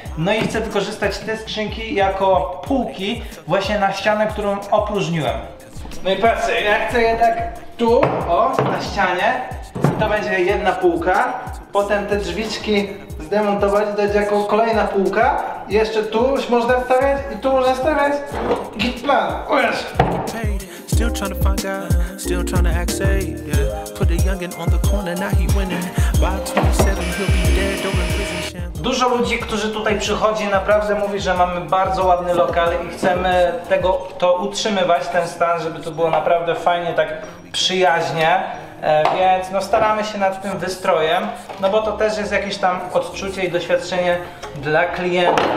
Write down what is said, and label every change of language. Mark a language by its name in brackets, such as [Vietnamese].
[Polish] No i chcę wykorzystać te skrzynki jako półki właśnie na ścianę, którą opróżniłem. No i patrzcie, ja chcę je tak tu, o, na ścianie. To będzie jedna półka, potem te drzwiczki zdemontować, dać jako kolejna półka. Jeszcze tu już można wstawiać i tu można wstawiać. Git plan, ujesz! [English] Still trying to find God, still trying to act safe, yeah. Put a youngin on the corner, now he winning. By 27 he'll be dead, over in prison. [Polish] Dużo ludzi, którzy tutaj przychodzi, naprawdę mówi, że mamy bardzo ładny lokal i chcemy tego, to utrzymywać, ten stan, żeby to było naprawdę fajnie, tak przyjaźnie. Więc no, staramy się nad tym wystrojem, no bo to też jest jakieś tam odczucie i doświadczenie dla klienta.